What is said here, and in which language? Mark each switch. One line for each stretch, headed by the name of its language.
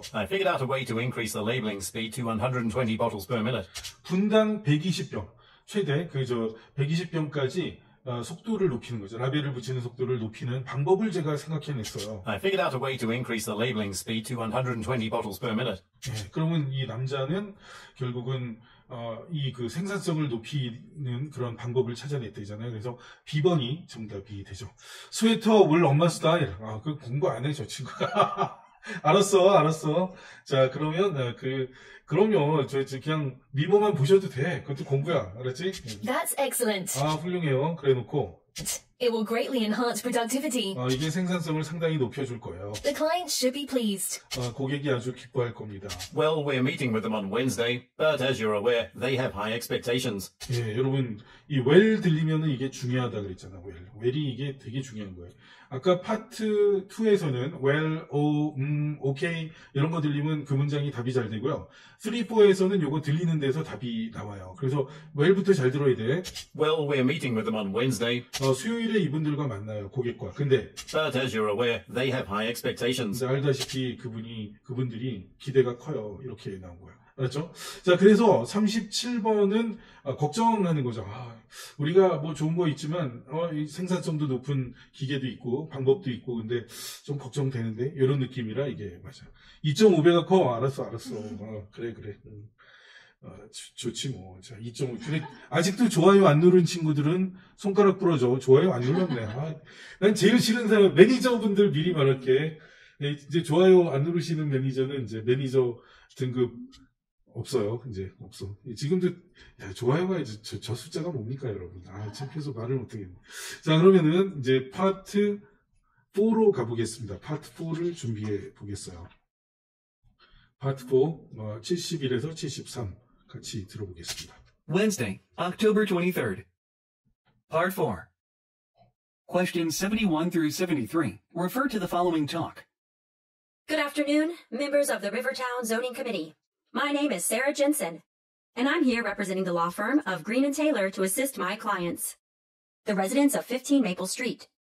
English: I figured out a way to increase the labeling speed to 120 bottles per minute.
Korean: 분당 120병, 최대 120병까지 속도를 높이는 거죠. 라벨을 붙이는 속도를 높이는 방법을 제가 생각해냈어요.
English: I figured out a way to increase the labeling speed to 120 bottles per minute.
Korean: 네, 그러면 이 남자는 결국은 이 생산성을 높이는 그런 방법을 찾아냈대잖아요. 그래서 B번이 정답이 되죠. 스웨터 물 엄마 스타일. 그 공부 안 해, 저 친구가. 알았어. 자, 그러면, 그냥 미모만 보셔도 돼. 그것도 공부야. 알았지?
English: That's excellent.
Korean: 훌륭해요. 그래 놓고.
English: It will greatly enhance productivity.
Korean: 아, 이게 생산성을 상당히 높여줄 거예요.
English: The client should be pleased.
Korean: 아, 고객이 아주 기뻐할 겁니다.
English: Well, we're meeting with them on Wednesday, but as you're aware, they have high expectations.
Korean: 예, 여러분, 이 well 들리면은 이게 중요하다 그랬잖아, well. well이 이게 되게 중요한 거예요. 아까 파트 2에서는
English: well, oh, okay
Korean: 이런 거 들리면 그 문장이 답이 잘 되고요. 3, 4에서는 요거 들리는 데서 답이 나와요. 그래서 well부터 잘 들어야 돼.
English: Well, we're meeting with them on Wednesday.
Korean: 수요일에 이분들과 만나요, 고객과. 근데
English: But as you're aware, they have high expectations.
Korean: 알다시피 그분들이 기대가 커요. 이렇게 나온 거야. 알았죠? 자, 그래서 37번은 걱정하는 거죠. 아, 우리가 뭐 좋은 거 있지만 생산성도 높은 기계도 있고 방법도 있고 근데 좀 걱정되는데 이런 느낌이라 이게 맞아. 2.5배가 커. 알았어, 알았어. 그래, 그래. 좋지 뭐. 자, 2.5. 아직도 좋아요 안 누른 친구들은 손가락 부러져. 좋아요 안 눌렀네. 아, 난 제일 싫은 사람 매니저분들 미리 말할게. 네, 이제 좋아요 안 누르시는 매니저는 이제 매니저 등급 없어요. 이제 없어. 지금도 야, 좋아요가 이제 저 숫자가 뭡니까 여러분. 아, 창피해서 말을 못하겠네. 자, 그러면은 이제 파트 4로 가보겠습니다. 파트 4를 준비해 보겠어요. 파트 4, 71에서 73 같이 들어보겠습니다.
English: Wednesday, October 23rd. Part 4. Questions 71 through 73 refer to the following talk. Good afternoon, members of the Rivertown Zoning Committee. My name is Sarah Jensen, and I'm here representing the law firm of Green & Taylor to assist my clients, the residents of 15 Maple Street.